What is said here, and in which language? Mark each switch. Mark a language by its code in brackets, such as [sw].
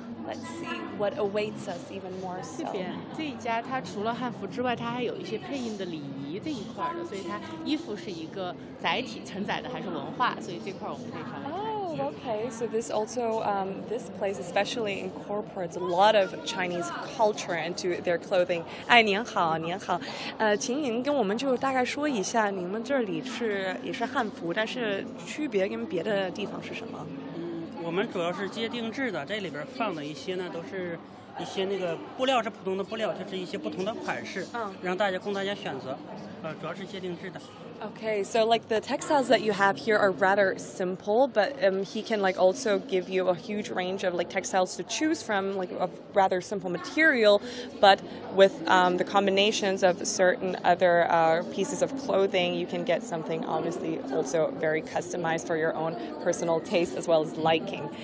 [en] Let's see what awaits us even more so. [zh] 这一家它除了汉服之外，它还有一些配印的礼仪这一块的，所以它衣服是一个载体，承载的还是文化，所以这块我们可以稍微看一下。 [en] So this also, this place especially incorporates a lot of Chinese culture into their clothing. [zh] 哎，您好，您好。请您跟我们就大概说一下，你们这里是也是汉服，但是区别跟别的地方是什么？我们主要是接定制的，这里边放的一些呢，都是一些那个布料是普通的布料，就是一些不同的款式，让大家供大家选择，主要是接定制的。 [en] Okay, so like the textiles that you have here are rather simple, but he can like also give you a huge range of like textiles to choose from, like a rather simple material, but with the combinations of certain other pieces of clothing, you can get something obviously also very customized for your own personal taste as well as liking.